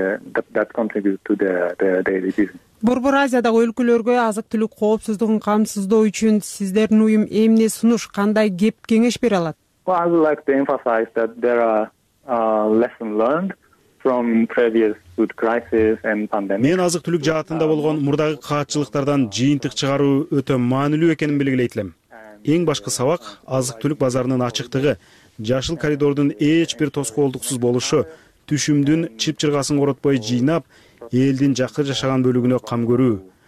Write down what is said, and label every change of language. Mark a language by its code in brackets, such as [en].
[ky] Борбор Азиядагы өлкөлөргө азык-түлүк коопсуздугун камсыздоо үчүн сиздердин уюм эмне сунуш, кандай кеп кеңеш бере алат? [en] Well, I would like to emphasize that there are lessons learned from previous food crises and pandemic. [ky] Мен азык-түлүк жаатында болгон мурдагы каатчылыктардан жыйынтык чыгаруу өтө маанилүү экенин белгилейт элем. Эң башкы сабак азык-түлүк базарынын ачыктыгы, жашыл коридордун эч бир тоскоолдуксуз болушу, түшүмдүн чыпчыргасын коротпой жыйнап, элдин жакыр жашаган бөлүгүнө кам көрүү.